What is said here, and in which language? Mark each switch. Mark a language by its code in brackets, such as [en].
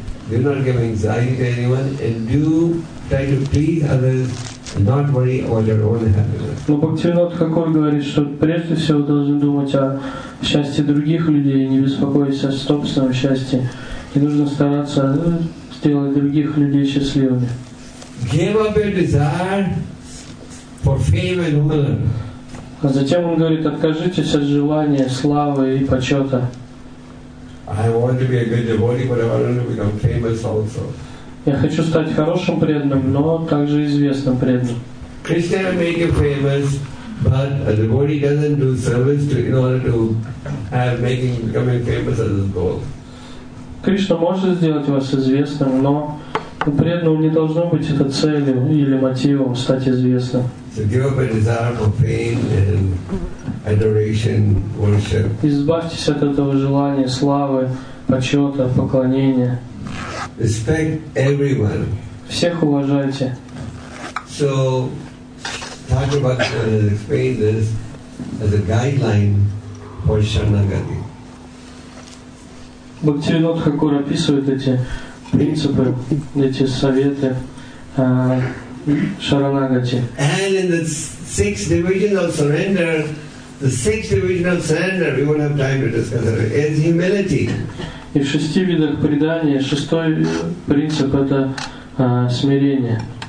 [en] Do not give anxiety to anyone and do try to please others. Not worry about your own happiness. [ru] Но Бхактивинод Тхакур говорит, что прежде всего должен думать о счастье других людей, не беспокоиться о собственном счастье. И нужно стараться сделать других людей счастливыми. [en] Give up your desire for fame and honor. [ru] А затем он говорит, откажитесь от желания славы и почета. [en] I want to be a good devotee, but I want to become famous also. [ru] Я хочу стать хорошим преданным, но также известным преданным. [en] Krishna make you famous, but a devotee doesn't do service to, in order to have making becoming famous as his goal. [ru] Кришна может сделать вас известным, но у преданного не должно быть это целью или мотивом стать известным. [en] So give up a desire for fame and adoration, worship. [ru] Избавьтесь от этого желания славы, почета, поклонения. [en] Respect everyone. [ru] Всех уважайте. [en] So, Thakur Bhaktivinoda has explained this as a guideline for Sharanagati. [ru] Бхактивинод Тхакур описывает эти принципы, эти советы Шаранагати. [en] And in the six divisions of surrender, we won't have time to discuss it, is humility. [ru] И в шести видах предания шестой принцип — это смирение.